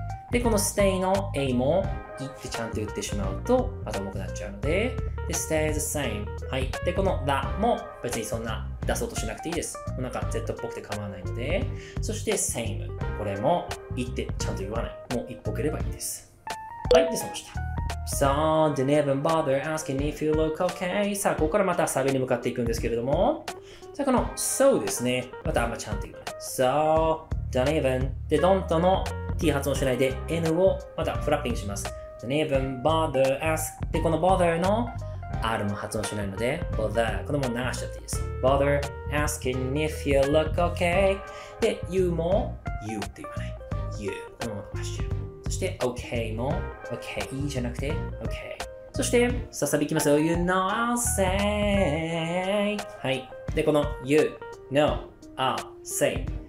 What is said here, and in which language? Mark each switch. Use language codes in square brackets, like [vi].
[ja] で、この stay の a も、いってちゃんと言ってしまうと、また重くなっちゃうので、で、 [en] stay the same。 [ja] はい。で、この the も、別にそんな出そうとしなくていいです。なんか z っぽくて構わないので、そして same。これも、いってちゃんと言わない。もう一歩蹴ればいいです。はい。で、そうした。 [en] So, didn't even bother asking if you look okay。 [ja] さあ、ここからまたサビに向かっていくんですけれども、さあ、この so ですね。またあんまちゃんと言わない。 [en] So, didn't even。 [ja] で、don't の T 発音しないで N をまたフラッピングします。 [en] Don't even bother ask。 [ja] で、この bother の R も発音しないので、bother。このまま流しちゃっていいです。 [en] bother asking if you look okay。 [ja] で、you も you って言わない。 you。 このまま流しちゃう。そして、okay も okay じゃなくて okay。そして、ささびいきますよ。 [en] you know I'll say。 はい。 [ja] で、この you know I'll say。